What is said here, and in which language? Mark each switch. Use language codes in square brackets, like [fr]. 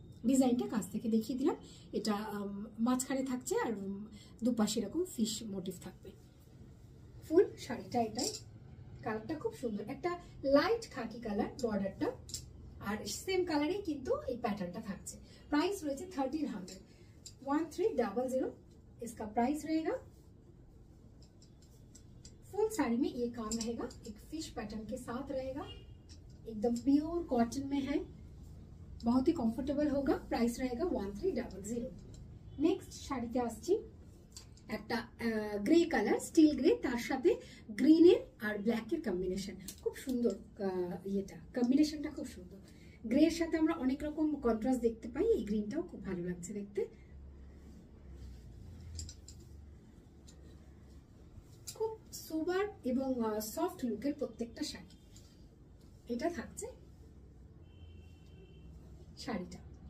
[bn] ডিজাইনটা কাছ থেকে দেখিয়ে দিলাম, এটা মাঝখানে থাকছে আর দুপাশে এরকম ফিশ মোটিভ থাকবে। ফুল শাড়িটা এটাই, কালারটা খুব সুন্দর, একটা লাইট খাকি কালার বর্ডারটা, আর সেম কালারে কিন্তু এই প্যাটার্নটা থাকছে। প্রাইস রয়েছে 1300, 1300 [hi] इसका প্রাইস রয়েগা। ফুল শাড়ি में ये काम रहेगा, एक फिश पैटर्न के साथ रहेगा, एकदम प्योर कॉटन में है, बहुत ही कंफर्टेबल होगा, प्राइस रहेगा 1300। [bn] नेक्स्ट শাড়িতে আসছি, একটা গ্রে কালার, স্টিল গ্রে, তার সাথে গ্রিন এর আর ব্ল্যাক এর কম্বিনেশন, খুব সুন্দর এটা কম্বিনেশনটা, খুব সুন্দর। গ্রে এর সাথে আমরা অনেক রকম কন্ট্রাস্ট দেখতে পাই, এই গ্রিনটাও খুব ভালো লাগছে দেখতে, খুব সুবার এবং সফট লুকের প্রত্যেকটা শাড়ি এটা থাকছে শাড়িটা।